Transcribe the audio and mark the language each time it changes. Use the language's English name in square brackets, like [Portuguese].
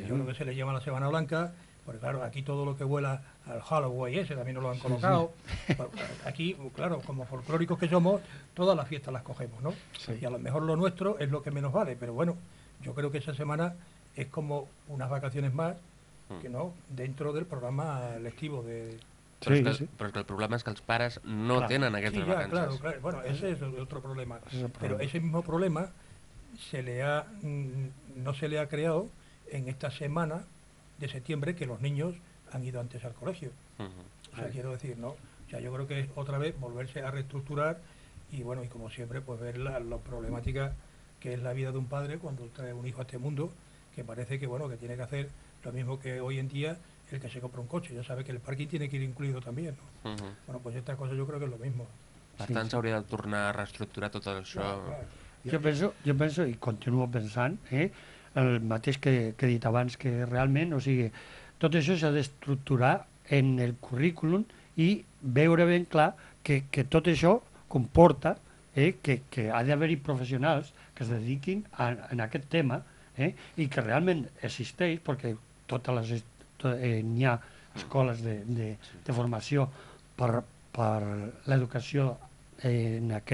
[Spanish] Yo creo que se le llama la Semana Blanca, porque claro, aquí todo lo que vuela al Halloween ese también nos lo han colocado. Sí, sí. Aquí, claro, como folclóricos que somos, todas las fiestas las cogemos, ¿no? Sí. Y a lo mejor lo nuestro es lo que menos vale, pero bueno, yo creo que esa semana es como unas vacaciones más, que no, dentro del programa lectivo de... [Catalan] Però, sí, és que, sí. Però és que el problema és que els pares no clar, tenen aquestes sí, ja, vacances. [Spanish] Claro, claro. Bueno, ese es otro problema. Pero ese mismo problema se le ha, no se le ha creado en esta semana de septiembre que los niños han ido antes al colegio. O sea, quiero decir, ¿no? O sea, yo creo que es otra vez volverse a reestructurar y bueno, y como siempre, pues ver la problemática que es la vida de un padre cuando trae un hijo a este mundo, que parece que bueno, que tiene que hacer lo mismo que hoy en día el que se compra un cotxe, ja sabe que el parking tiene que ir incluido también, ¿no? Bueno, pues esta cosa yo creo que es lo mismo. [Catalan] Per tant, s'hauria de tornar a reestructurar tot això. Jo penso, i continuo pensant, el mateix que he dit abans, que realment, o sigui, tot això s'ha d'estructurar en el currículum i veure ben clar que tot això comporta que ha d'haver-hi professionals que es dediquin en aquest tema i que realment existeix, perquè totes les n'hi ha escoles de formació per l'educació en